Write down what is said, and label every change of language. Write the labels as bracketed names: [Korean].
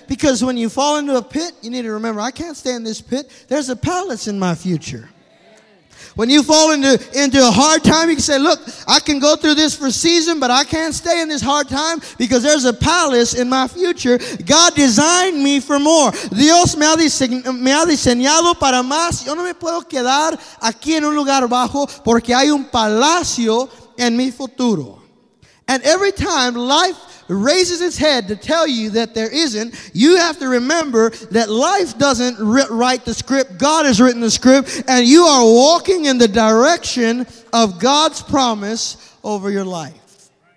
[English] Because when you fall into a pit, you need to remember, I can't stay in this pit. There's a palace in my future. When you fall into a hard time, you can say, look, I can go through this for a season, but I can't stay in this hard time because there's a palace in my future. God designed me for more. [Spanish] Dios me ha diseñado para más. Yo no me puedo quedar aquí en un lugar bajo porque hay un palacio en mi futuro. [English] And every time life raises its head to tell you that there isn't, you have to remember that life doesn't write the script. God has written the script, and you are walking in the direction of God's promise over your life.